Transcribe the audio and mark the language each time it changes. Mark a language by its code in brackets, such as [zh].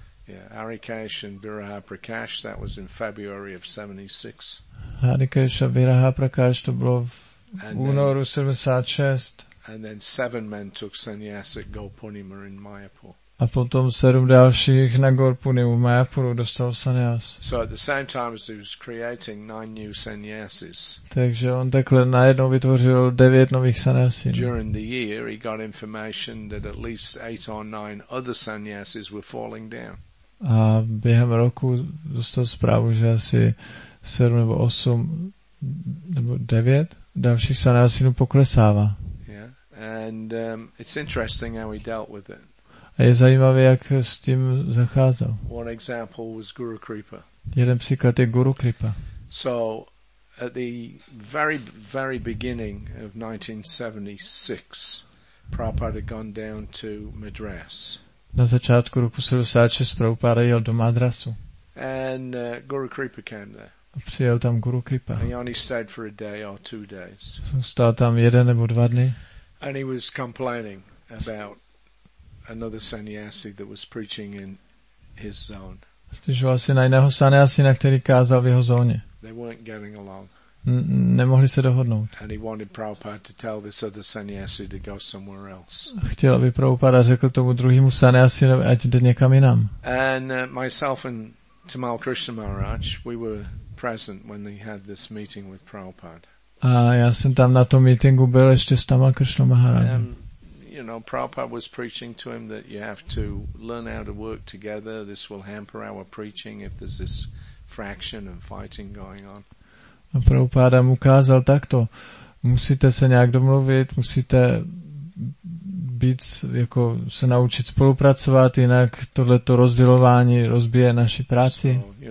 [en] Yeah, Harikesh and Biraha Prakash, that was in February of 76. [cs] Harikesh a Biraha Prakash, to bylo v únoru 76. [en] And then seven men took sannyas at Gopunima in Mayapur. [cs] A potom sedm dalších na Gopunimu v Mayapuru dostal sannyas. [en] So at the same time as he was creating nine new sannyasis. [cs] Takže on takhle najednou vytvořil devět nových sannyasin. [en] During the year he got information that at least eight or nine other sannyasis were falling down. [cs] A během roku dostal zprávu, že asi sedm nebo osm nebo devět dalších sannyasinů poklesává. [en] And it's interesting how he dealt with it. [cs] A je zajímavé, jak s tím zacházel. [en] One example was Guru Kripa. [cs] Jeden příklad je Guru Kripa. [en] So at the very, very beginning of 1976, Prabhupada had gone down to Madras. [cs] Na začátku roku 76 Prabhupada jel do Madrasu. [en] And Guru Kripa came there. [cs] A přijel tam Guru Kripa. [en] And he only stayed for a day or 2 days. [cs] Zůstal tam jeden nebo dva dny. [en] And he was complaining about another sannyasi that was preaching in his zone. [cs] Stěžoval si na jiného sannyasina, který kázal v jeho zóně. [en] They weren't getting along. [cs] Nemohli se dohodnout. [en] And he wanted Prabhupada to tell this other sannyasi to go somewhere else. [cs] Chtěl, aby Prabhupada řekl tomu druhému sannyasi, ať jde někam jinam. [en] And myself and Tamal Krishna Maharaj, we were present when they had this meeting with Prabhupada. [cs] A já jsem tam na tom meetingu byl ještě s Tamal Krishna Maharajem. [en] You know, Prabhupada was preaching to him that you have to learn how to work together. This will hamper our preaching if there's this fraction and fighting going on. [cs] A Prabhupada mu ukázal takto. Musíte se nějak domluvit, musíte být, jako se naučit spolupracovat, jinak tohleto rozdělování rozbije naši práci.